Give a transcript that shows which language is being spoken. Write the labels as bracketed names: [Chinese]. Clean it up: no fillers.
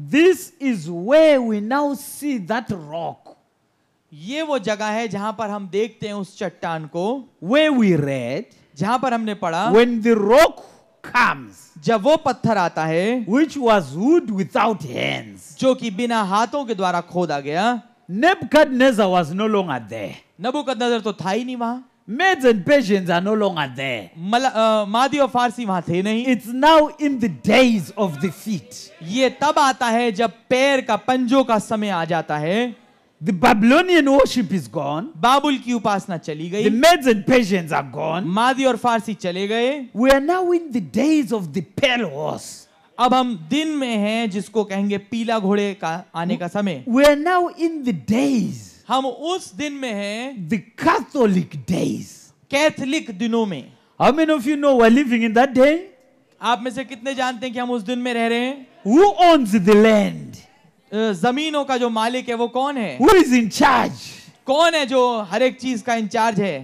[English] This is where we now see that rock. [Hindi] ये वो जगह है जहां पर हम देखते हैं उस चट्टान को. [English] Where we read, [Hindi] जहां पर हमने पढ़ा. [English] When the rock comes, [Hindi] जब वो पत्थर आता है. [English] Which was wood without hands, [Hindi] जो कि बिना हाथों के द्वारा खोदा गया. [English] Nebuchadnezzar was no longer there, [Hindi] नबूकदनेस्सर तो था ही नहीं वहां. [English] Medes and Persians are no longer there, [Hindi] मादी और फारसी वहां थे नहीं. [English] It's now in the days of the feet, [Hindi] ये तब आता है जब पैर का पंजों का समय आ जाता है. [English] The Babylonian worship is gone. [Hindi] बाबुल की उपासना चली गई. [English] The Medes and Persians are gone. [Hindi] मादी और फारसी चले गए. [English] We are now in the days of the pale horse. [Hindi] अब हम दिन में हैं जिसको कहेंगे पीला घोड़े का आने का समय. [English] We are now in the days. [Hindi] हम उस दिन में हैं. [English] The Catholic days. [Hindi] कैथोलिक दिनों में. [English] How many of you know we are living in that day? [Hindi] आप में से कितने जानते हैं कि हम उस दिन में रह रहे हैं? [English] Who owns the land? [Hindi] जमीनों का जो मालिक है वो कौन है? [English] Who is in charge? [Hindi] कौन है जो हर एक चीज का इंचार्ज है?